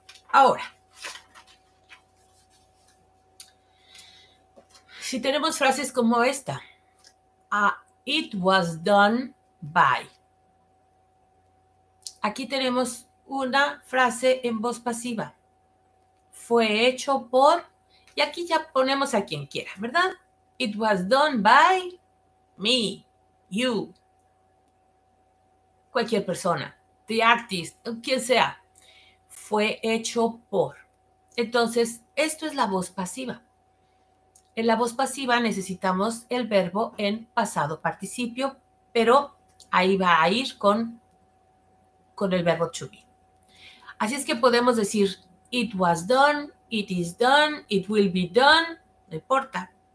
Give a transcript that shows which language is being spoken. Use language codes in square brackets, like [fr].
[es] Ahora, si tenemos frases como esta, [en] it was done by. [es] Aquí tenemos una frase en voz pasiva. Fue hecho por, y aquí ya ponemos a quien quiera, ¿verdad? [en] It was done by me, you, [es] cualquier persona, [en] the artist, [es] quien sea. Fue hecho por. Entonces, esto es la voz pasiva. En la voz pasiva necesitamos el verbo en pasado participio, pero ahí va a ir con el verbo to be. Así es que podemos decir, [en] it was done, it is done, it will be done, [es] no importa.